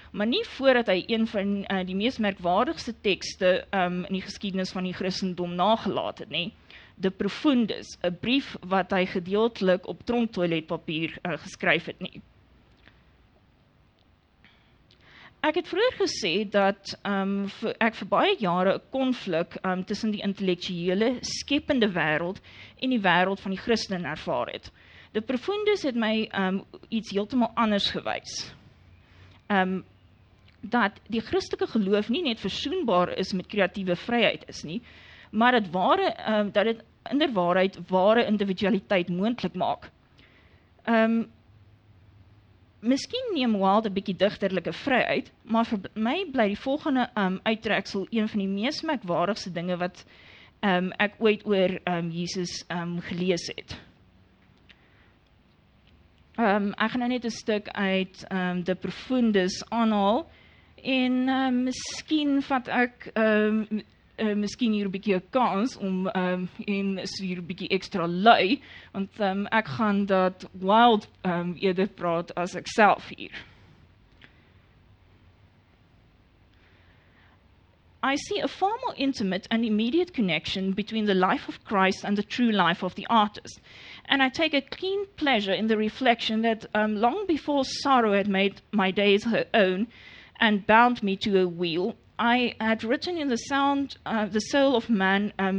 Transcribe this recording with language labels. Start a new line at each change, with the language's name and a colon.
Afrikaans: Maar nie voordat hy een van die mees merkwaardigste tekste in die geskiedenis van die Christendom nagelaat het nie, De Profundis, 'n brief wat hy gedeeltelik op tronktoiletpapier geskryf het nie. Ek het vroeër gesê dat ek vir baie jare 'n konflik tussen die intellektuele, skepende wêreld en die wêreld van die Christen ervaar het. De Profundis het my iets heeltemal anders gewys. Dat die Christelike geloof nie net versoenbaar is met kreatiewe vryheid is nie, maar dat dit inderwaarheid ware individualiteit moontlik maak. Miskien neem Wilde 'n bietjie digterlike vryheid, maar vir my bly die volgende uittreksel een van die mees merkwaardigste dinge wat ek ooit oor Jesus gelees het. Ek gaan nou net 'n stuk uit De Profundis aanhaal en miskien vat ek miskien hier 'n bietjie 'n kans om en so hier 'n bietjie ekstra lui, want ek gaan dat Wilde eerder praat as ek self hier.
English: I see a far more intimate and immediate connection between the life of Christ and the true life of the artist, and I take a keen pleasure in the reflection that long before sorrow had made my days her own and bound me to a wheel, I had written in the sound, the soul of man,